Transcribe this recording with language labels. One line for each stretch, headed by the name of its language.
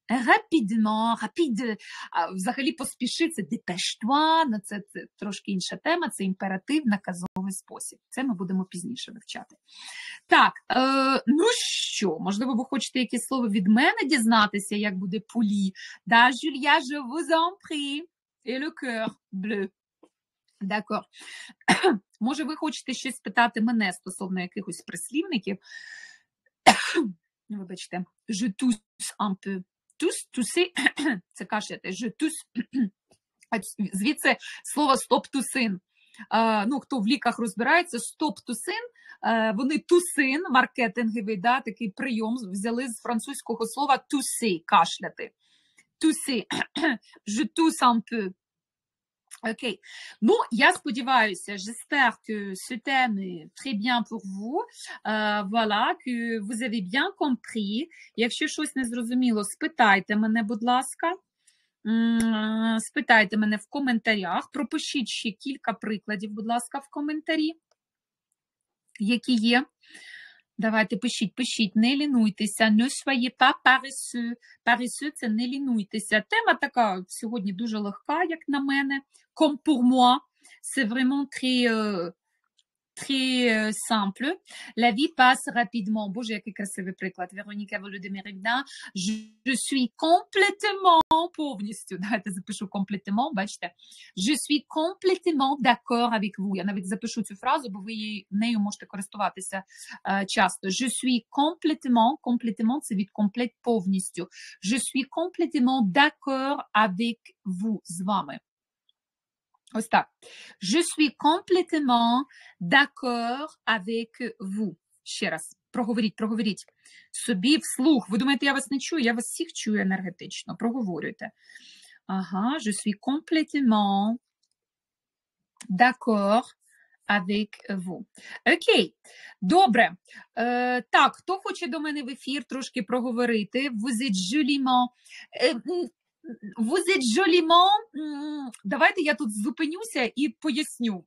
Ukrainian: «Rapidement», «rapide», взагалі «поспіши», це
French: «dépêche-toi»,
Ukrainian: ну, це трошки інша тема, це імператив, наказовий спосіб. Це ми будемо пізніше вивчати. Так, ну що, можливо, ви хочете якісь слова від мене дізнатися, як буде «poli».
French: «Да, Julia, je vous en prie, et le cœur bleu».
Ukrainian: Дякую. Може, ви хочете щось питати мене стосовно якихось прислівників? Вибачте.
French: Je tousse un peu. Tousse, tousse.
Ukrainian: Це кашляти.
French: Je tousse.
Ukrainian: Звідси слово stop tousin. Ну, хто в ліках розбирається, stop tousin. Вони тусин, маркетинговий, да, такий прийом взяли з французького слова tousse, кашляти.
French: Tousse. Je tousse un peu. Окей.
Ukrainian: Ну, я сподіваюся,
French: j'espère que ce thème est très bien pour vous. Voilà, que vous avez bien compris.
Ukrainian: Якщо щось не зрозуміло, спитайте мене, будь ласка. Спитайте мене в коментарях. Пропишіть ще кілька прикладів, будь ласка, в коментарі, які є. Давайте, пишіть, пишіть, не лінуйтеся, не
French: soyez pas paresseux.
Ukrainian: Paresseux – це не лінуйтеся. Тема така сьогодні дуже легка, як на мене.
French: Comme pour moi, c'est vraiment très simple. La vie passe rapidement.
Ukrainian: Боже, який красивий приклад. Вероніка Володимирівна,
French: je suis complètement,
Ukrainian: повністю, давайте запишу complètement, бачите.
French: Je suis complètement d'accord avec vous.
Ukrainian: Я навіть запишу цю фразу, бо ви нею можете користуватися часто.
French: Je suis complètement, complètement,
Ukrainian: це від
French: complète,
Ukrainian: повністю.
French: Je suis complètement d'accord avec vous,
Ukrainian: з вами. Ось так.
French: Je suis complètement d'accord avec vous.
Ukrainian: Ще раз. Проговоріть, проговоріть. Собі вслух. Ви думаєте, я вас не чую? Я вас всіх чую енергетично. Проговорюйте.
French: Ага, je suis complètement d'accord avec vous.
Ukrainian: Окей. Добре. Так, хто хоче до мене в ефір трошки проговорити?
French: Vous êtes joliment... Vous êtes joliment.
Ukrainian: Давайте я тут зупинюся і поясню.